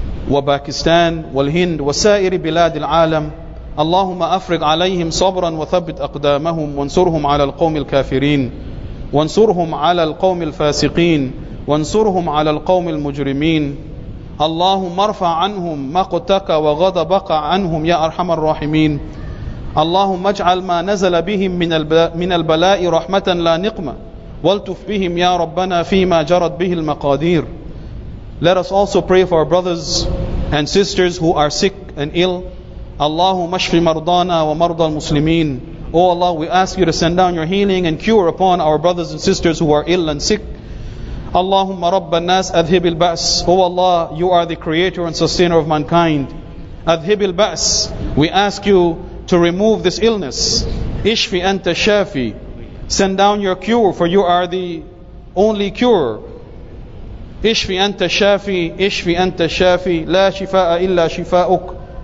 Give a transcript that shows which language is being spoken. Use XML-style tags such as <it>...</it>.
<ar>وباكستان والهند وسائر بلاد العالم اللهم أفرغ عليهم صبرا وثبت أقدامهم وانصرهم على القوم الكافرين وانصرهم على القوم الفاسقين وانصرهم على القوم المجرمين اللهم ارفع عنهم مقتك وغضبك عنهم يا أرحم الراحمين اللهم اجعل ما نزل بهم من البلاء رحمة لا نقمة والتف بهم يا ربنا فيما جرت به المقادير.</ar> <en>Let us also pray for our brothers and sisters who are sick and ill.</en> <ar>اللهم اشف مرضانا ومرضى المسلمين.</ar> <en>O Allah, we ask you to send down your healing and cure upon our brothers and sisters who are ill and sick.</en> <ar>اللهم رب الناس اذهب البأس.</ar> <en>O Allah, you are the creator and sustainer of mankind.</en> <ar>اذهب البأس.</ar> <en>We ask you to remove this illness.</en> <ar>Ishfi anta shafi.</ar> <en>Send down your cure, for you are the only cure.</en> <ar>Ishfi anta shafi. Ishfi anta shafi. La shifa'a illa shifa'uk.</ar>